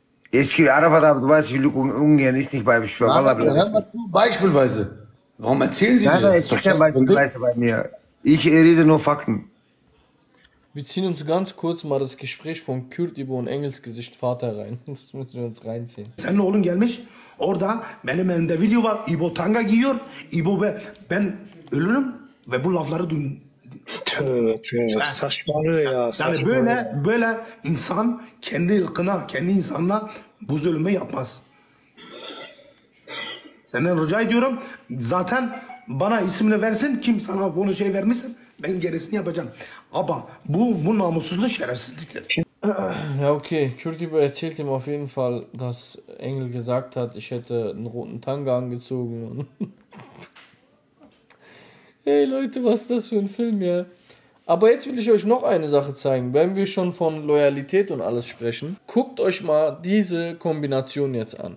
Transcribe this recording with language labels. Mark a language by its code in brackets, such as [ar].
[de] Es gibt Arafat, aber du weißt, wie Lukung umgehen ist nicht bei mir. Beispielsweise. Warum erzählen Sie das? Das ist doch kein Beispielweise bei mir. Ich rede nur Fakten. Wir ziehen uns ganz kurz mal das Gespräch von Kürt über und Engels Gesicht Vater rein. Das müssen wir uns reinziehen. [tr] Senin oğlun gelmiş. Orada benim elimde video var. İbo tanga giyiyor. İbo ben ölürüm ve bu lafları duyun. Tövbe, saçmalığı ya. Yani böyle böyle insan kendi ırkına, kendi insanına bu zulmü yapmaz. Senden rica ediyorum. Zaten bana ismini versin. Kim sana bunu şey vermişsin? Ben gerisini yapacağım. Aber bu namussuzluğu şerefsizliktir. [de] Ja, okay. Kürtibo erzählt ihm auf jeden Fall, dass Engel gesagt hat, ich hätte einen roten Tanga angezogen. Hey Leute, was ist das für ein Film, ja? Aber jetzt will ich euch noch eine Sache zeigen. Wenn wir schon von Loyalität und alles sprechen, guckt euch mal diese Kombination jetzt an.